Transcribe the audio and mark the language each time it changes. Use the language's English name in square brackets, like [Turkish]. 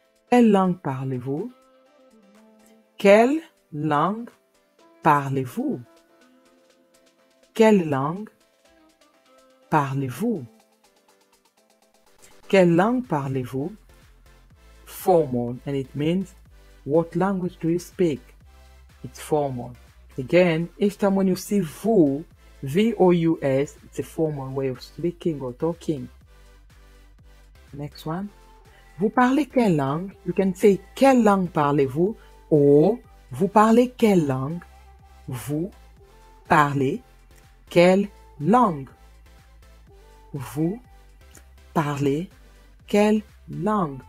[French] Quelle langue parlez-vous? Quelle langue parlez-vous? Quelle langue parlez-vous? Quelle langue parlez-vous? [English] Formal, and it means, what language do you speak? It's formal. Again, each time when you see vous, V-O-U-S, it's a formal way of speaking or talking. Next one. [French] Vous parlez quelle langue? [English] You can say, [French] quelle langue parlez-vous? Or, vous parlez quelle langue? Vous parlez quelle langue? Vous parlez quelle langue?